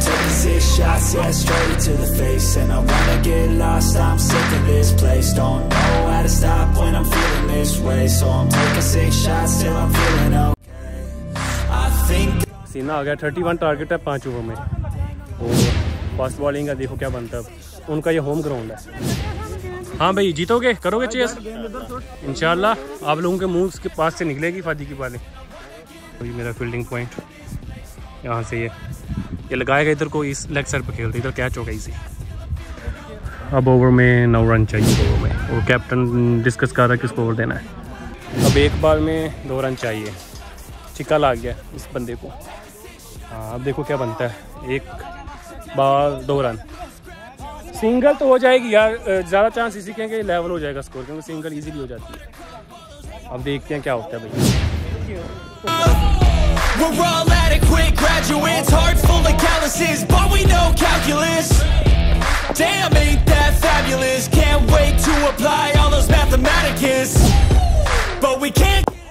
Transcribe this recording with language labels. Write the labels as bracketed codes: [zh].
[en] Six shots, yeah, straight to the face. And I wanna get lost, I'm sick of this place. Don't know how to stop when I'm feeling this way. So I'm taking six shots till I'm feeling okay. I think see now I got 31 target at 5 over me. Oh, fast bowling, I'll see what happens. It's their home ground. [hi] हाँ भाई जीतोगे, करोगे chess? इंशाल्लाह आप लोगों के मुंह के पास से निकलेगी फादी की बाले। ये मेरा फील्डिंग पॉइंट यहाँ से, ये लगाएगा इधर को, इस लेग साइड पर खेलते इधर कैच होगा इसे। अब ओवर में 9 रन चाहिए ओवर में, और कैप्टन डिस्कस कर रहा है किसको ओवर देना है। अब एक बार में 2 रन चाहिए, छिक्का लग गया इस बंदे को। हाँ अब देखो क्या बनता है, एक बार 2 रन, सिंगल तो हो जाएगी यार, ज़्यादा चांस इसी के लेवल हो जाएगा स्कोर, क्योंकि सिंगल ईजीली हो जाती है। अब देखते हैं क्या होता है भाई। [en] We're all adequate graduates, hearts full of calluses, but we know calculus. Damn, ain't that fabulous? Can't wait to apply all those mathematicus. But we can't.